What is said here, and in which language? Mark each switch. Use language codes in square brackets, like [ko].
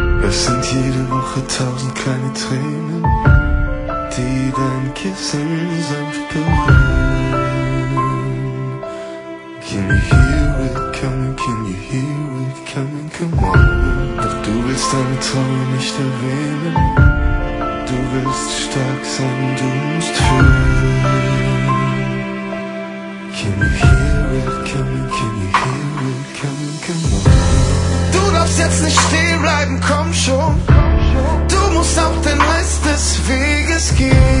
[de] sind jede Woche tausend kleine Tränen, die dein Kissen sanft berühren. [en] Can you hear it coming, can you hear it coming, come on. [de] Doch du willst deine Träume nicht erwähnen, du willst stark sein, du musst fühlen. [en] Can you hear it coming, can you hear it coming, come on. [de] Du darfst jetzt nicht stehen bleiben, komm schon. Du musst auf den Rest des Weges gehen.